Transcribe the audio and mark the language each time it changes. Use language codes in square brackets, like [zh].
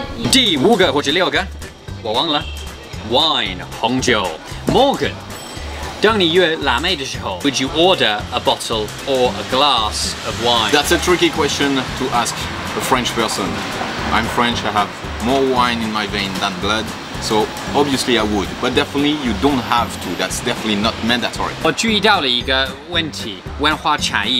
[zh] 第五个或者六个，我忘了。 [en] Wine, 红酒 Morgan. [zh] 当你约辣妹的时候 [en] would you order a bottle or a glass of wine? That's a tricky question to ask a French person. I'm French, I have more wine in my vein than blood, so obviously I would. But definitely you don't have to, that's definitely not mandatory. [zh] 我注意到了一个问题，文化差异。